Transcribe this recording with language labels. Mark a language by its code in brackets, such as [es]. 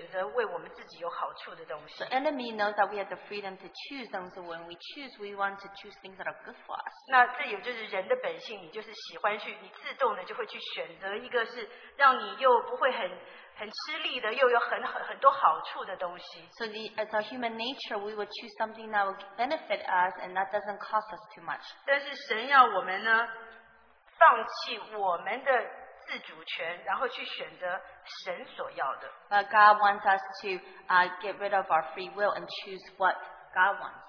[en] So enemy knows that we have the freedom to choose things. So when we choose, we want to choose things that are good for us. [zh] 那这也就是人的本性，你就是喜欢去，你自动的就会去选择一个是让你又不会很吃力的，又有很多好处的东西。 [en] So the, as a human nature, we will choose something that will benefit us and that doesn't cost us too much. [zh] 但是神要我们呢，放弃我们的。自主权，然后去选择神所要的。 [en] But God wants us to get rid of our free will and choose what God wants.